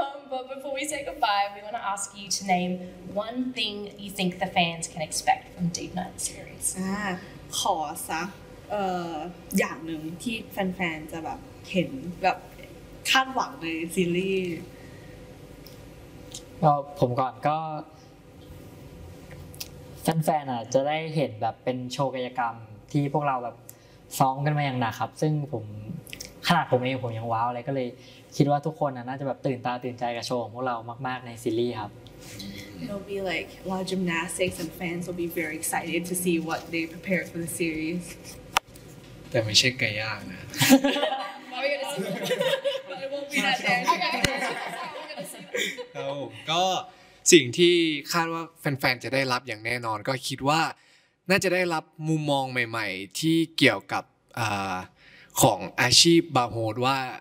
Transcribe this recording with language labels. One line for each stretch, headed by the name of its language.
English: But before we say goodbye, we want to ask you to name one thing you think the fans can expect from Deep Night series.
Thai: ขอสักอย่างหนึ่งที่แฟนๆจะแบบเห็นแบบคาดหวังในซีรีส์ก็ผมก่อนก็แฟนๆจะได้เห็นแบบเป็นโชว์กายกรรมที่พวกเราแบบซ้อมกันมาอย่างหนักครับซึ่งผมขนาดผมเองผมยังว้าวอะไรก็เลยคิดว่าทุกคนน่าจะแบบตื่นตาตื่นใจกับโชว์ของพวกเรามากๆในซีรีส์ครับ
English: It'll be like a lot of gymnastics and fans will be very excited to see what they prepare for the series
Thai: แต่ไม่ใช่ไก่ย่างนะ ก็สิ่งที่คาดว่าแฟนๆจะได้รับอย่างแน่นอนก็คิดว่าน่าจะได้รับมุมมองใหม่ๆที่เกี่ยวกับของอาชีพบาโฮดว่า